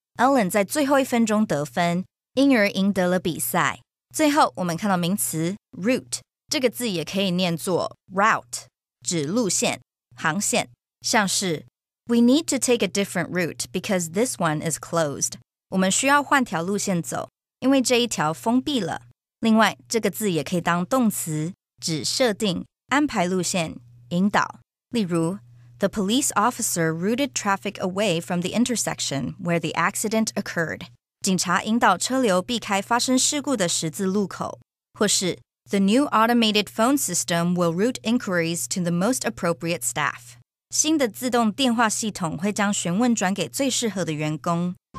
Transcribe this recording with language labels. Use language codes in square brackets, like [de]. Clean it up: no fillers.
[zh] Ellen 在最后一分钟得分，因而赢得了比赛。最后我们看到名词 route， 这个字也可以念作 route， 指路线，航线。像是 [en] We need to take a different route because this one is closed. [zh] 我们需要换条路线走，因为这一条封闭了。另外，这个字也可以当动词，指设定、安排路线、引导。例如 [en] ，The police officer routed traffic away from the intersection where the accident occurred. [zh] 警察引导车流避开发生事故的十字路口。或是 [en] ，The new automated phone system will route inquiries to the most appropriate staff. [zh] 新的自动电话系统会将询问转给最适合的员工。